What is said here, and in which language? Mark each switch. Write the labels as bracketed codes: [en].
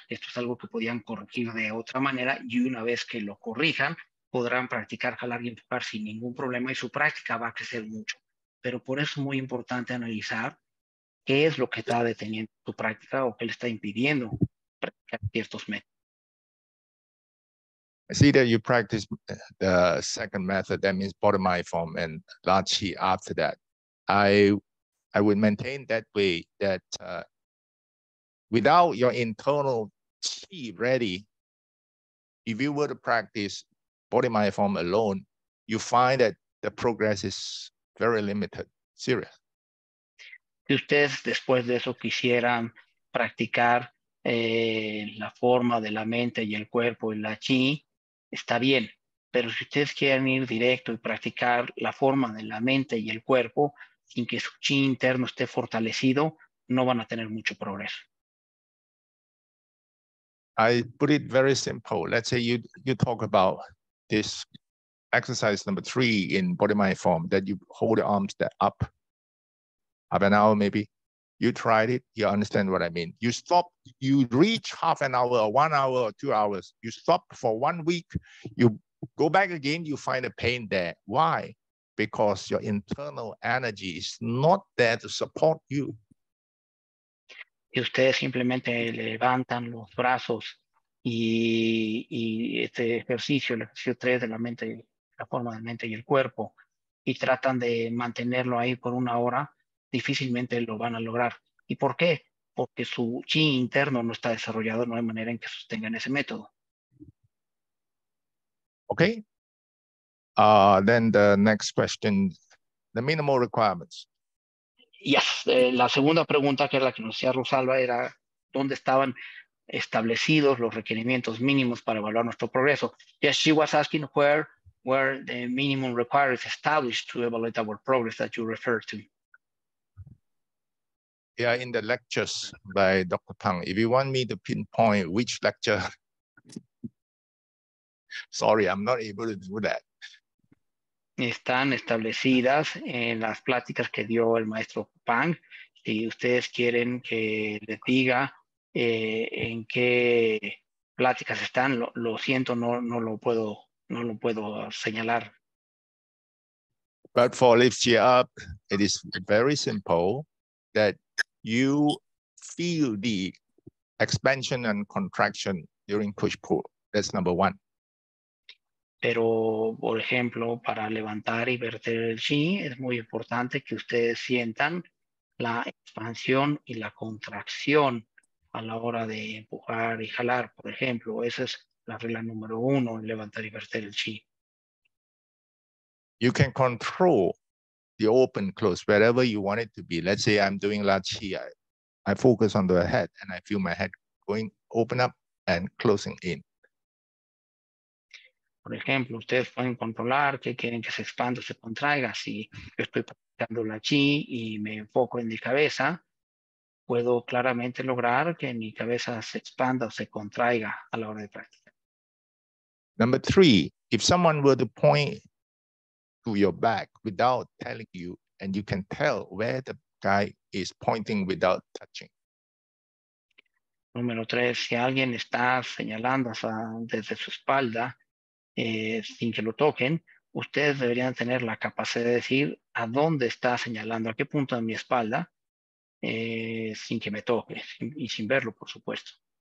[es] Esto es algo que podían corregir de otra manera y una vez que lo corrijan, podrán practicar jalar y empujar sin ningún problema y su práctica va a crecer mucho. Pero por eso es muy importante analizar qué es lo que está deteniendo tu práctica o qué le está impidiendo practicar ciertos métodos. [en] I see that you practice the second method, that means body mind form and large chi after that. I would maintain that way that without your internal chi ready, if you were to practice body mind form alone, you find that the progress is very limited, serious. [es] Si ustedes después de eso quisieran practicar la forma de la mente y el cuerpo y la chi, está bien, pero si ustedes quieren ir directo y practicar la forma de la mente y el cuerpo sin que su chi interno esté fortalecido, no van a tener mucho progreso. [en] I put it very simple. Let's say you talk about this exercise number 3 in body mind form, that you hold your arms up, half an hour maybe. You tried it, you understand what I mean. You stop, you reach half an hour or 1 hour or 2 hours. You stop for 1 week, you go back again, you find a pain there. Why? Because your internal energy is not there to support you. [es] Y ustedes simplemente levantan los brazos y este ejercicio, el ejercicio 3 de la mente, la forma de la mente y el cuerpo, y tratan de mantenerlo ahí por una hora, difícilmente lo van a lograr. ¿Y por qué? Porque su chi interno no está desarrollado, no hay manera en que sostengan ese método. [en] Okay. Then the next question, the minimal requirements. [es] Yes, la segunda pregunta que era la que nos hacía Rosalba era dónde estaban establecidos los requerimientos mínimos para evaluar nuestro progreso. [en] Yes, she was asking where were the minimum requirements established to evaluate our progress that you referred to. Yeah, in the lectures by Dr. Pang. If you want me to pinpoint which lecture, sorry, I'm not able to do that. [es] Están establecidas en las pláticas que dio el maestro Pang. Si ustedes quieren que les diga en qué pláticas están, lo siento, no lo puedo señalar. [en] But for lift you up, it is very simple that you feel the expansion and contraction during push-pull. That's number one. [es] Pero, por ejemplo, para levantar y verter el chi, es muy importante que ustedes sientan la expansión y la contracción a la hora de empujar y jalar, por ejemplo. Esa es la regla número uno, levantar y verter el chi. [en] You can control the open, close, wherever you want it to be. Let's say I'm doing large chi. I focus on the head and I feel my head going open up and closing in. [es] Por ejemplo, ustedes pueden controlar que quieren que se expanda o se contraiga. Si yo estoy practicando la chi y me enfoco en mi cabeza, puedo claramente lograr que mi cabeza se expanda o se contraiga a la hora de practicar. [en] Number 3, if someone were to point to your back without telling you, and you can tell where the guy is pointing without touching. [es] Número 3, si alguien está señalando desde su espalda, sin que lo toquen, ustedes deberían tener la capacidad de decir a dónde está señalando, a qué punto de mi espalda, sin que me toque y sin verlo, por supuesto.